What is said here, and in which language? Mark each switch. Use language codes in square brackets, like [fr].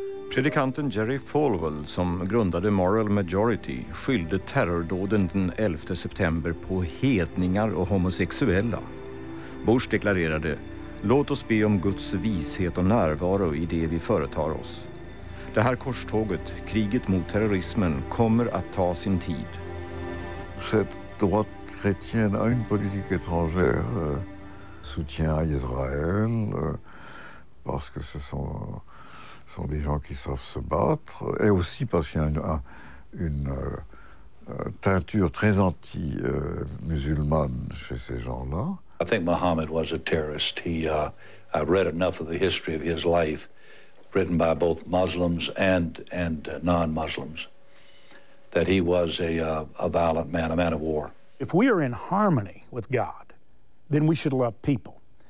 [sv] Predikanten Jerry Falwell, som grundade Moral Majority, skyllde terrordåden den 11 september på hedningar och homosexuella. Bush deklarerade, låt oss be om Guds vishet och närvaro i det vi företar oss. Det här korståget, kriget mot terrorismen, kommer att ta sin tid. [fr] Sätt då att chrétienne a une politique étrangère, soutient à Israël, parce que ce sont des gens qui savent se battre, et aussi parce qu'il y a une teinture très anti-musulmane chez ces gens-là. [en] I think Mohammed was a terrorist. I read enough of the history of his life, written by both Muslims and non-Muslims, that he was a violent man, a man of war. If we are in harmony with God, then we should love people.